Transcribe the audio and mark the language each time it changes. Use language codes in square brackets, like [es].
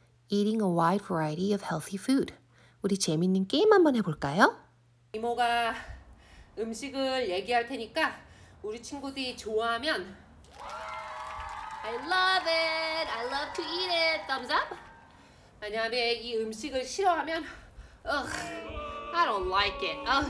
[en] Eating a wide variety of healthy food. [ko] 우리 재미있는 게임 한번 해볼까요? 이모가 음식을 얘기할 테니까 우리 친구들이 좋아하면 [en] I love it! I love to eat it! Thumbs up! [ko] 만약에 이 음식을 싫어하면 [en] Ugh, I don't like it!